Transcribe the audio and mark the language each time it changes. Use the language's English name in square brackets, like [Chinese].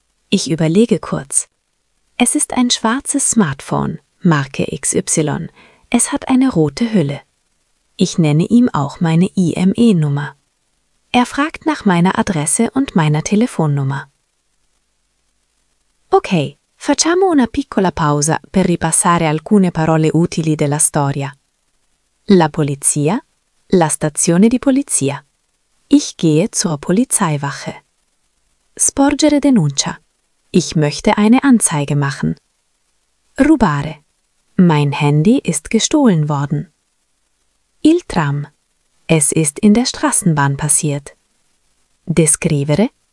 [German] Ich überlege kurz. Es ist ein schwarzes Smartphone, Marke XY. Es hat eine rote Hülle. Ich nenne ihm auch meine IME-Nummer. Er fragt nach meiner Adresse und meiner Telefonnummer. [Italian] Ok, facciamo una piccola pausa per ripassare alcune parole utili della storia. La polizia, la stazione di polizia. [German] Ich gehe zur Polizeiwache. [Italian] Sporgere denuncia. [German] Ich möchte eine Anzeige machen. Rubare. Mein Handy ist gestohlen worden. Il tram. Es ist in der Straßenbahn passiert. Descrivere.